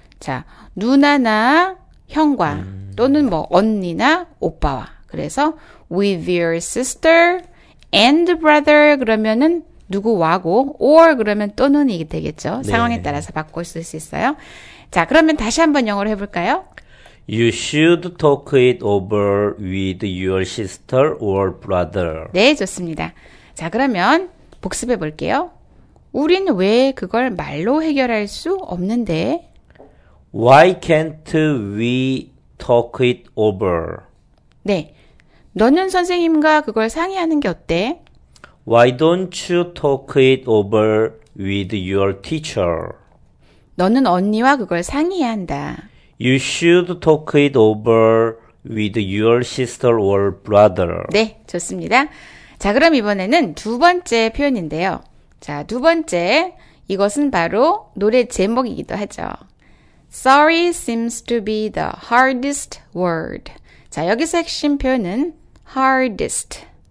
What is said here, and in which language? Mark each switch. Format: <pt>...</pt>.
<ko>자, 누나나 형과 또는 뭐 언니나 오빠와. 그래서</ko> <en>with your sister and brother</en> <ko>그러면은 누구와고, or 그러면 또는이 되겠죠. 상황에 따라서 바꿀 수 있어요. 자, 그러면 다시 한번 영어로 해볼까요?</ko> <en>You should talk it over with your sister or brother.</en> <ko>네, 좋습니다. 자, 그러면 복습해 볼게요. 우린 왜 그걸 말로 해결할 수 없는데?</ko> <en>Why can't we talk it over?</en> <ko>네. 너는 선생님과 그걸 상의하는 게 어때?</ko> <en>Why don't you talk it over with your teacher?</en> <ko>너는 언니와 그걸 상의해야 한다.</ko> <en>You should talk it over with your sister or brother.</en> <ko>네, 좋습니다. 자, 그럼 이번에는 두 번째 표현인데요. 자, 두 번째. 이것은 바로 노래 제목이기도 하죠.</ko> <en>Sorry seems to be the hardest word.</en> <ko>자, 여기서 핵심 표현은</ko> <en>hardest.</en>